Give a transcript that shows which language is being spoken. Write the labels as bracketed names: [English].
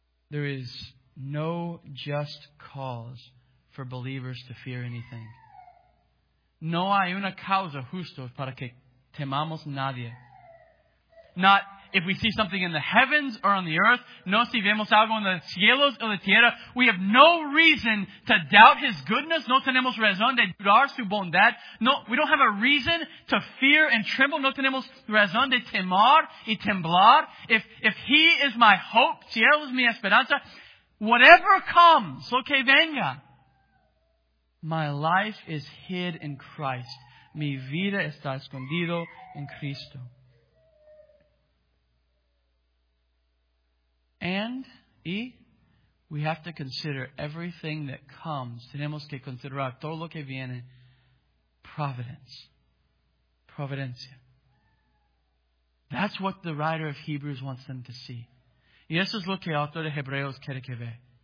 [English] There is no just cause for believers to fear anything. [Spanish] No hay una causa justa para que temamos nadie. [English] Not if we see something in the heavens or on the earth. [Spanish] No si vemos algo en los cielos o la tierra. [English] We have no reason to doubt His goodness. [Spanish] No tenemos razón de dudar su bondad. [English] No, we don't have a reason to fear and tremble. [Spanish] No tenemos razón de temor y temblar. [English] If He is my hope, [Spanish] si Él es mi esperanza, [English] whatever comes, [Spanish] lo que venga, [English] my life is hid in Christ. [Spanish] Mi vida está escondido en Cristo. [English] And, [Spanish] y, [English] we have to consider everything that comes. [Spanish] Tenemos que considerar todo lo que viene. Providence. Providencia. [English] That's what the writer of Hebrews wants them to see. [Spanish] Y eso es lo que el autor de Hebreos quiere que vea.